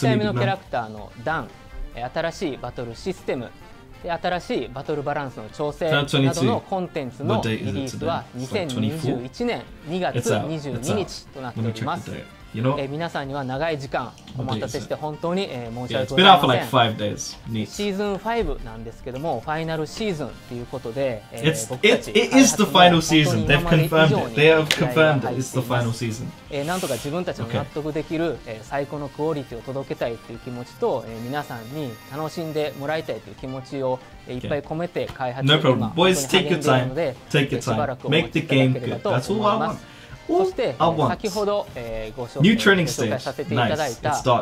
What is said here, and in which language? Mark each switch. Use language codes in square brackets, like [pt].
[ja] 回目のキャラクターのダン、新しいバトルシステム、新しいバトルバランスの調整などのコンテンツのリリースは2021年2月22日となっております。 [en] You know? [ja] 皆さんには長い時間お待たせして本当に申し訳ございません。 [en] It's been out for like 5 days. [ja] シーズン5なんですけども、ファイナルシーズンということで、 [en] It is the final season. They've confirmed it. They have confirmed it. It's the final season. [ja] なんとか自分たちの納得できる最高のクオリティを届けたいという気持ちと、皆さんに楽しんでもらいたいという気持ちをいっぱい込めて開発中なので、 [en] Boys, take your time. Take your time. Make the game good. That's all I want. [ja] そして先ほど、ご紹介させていただいた内容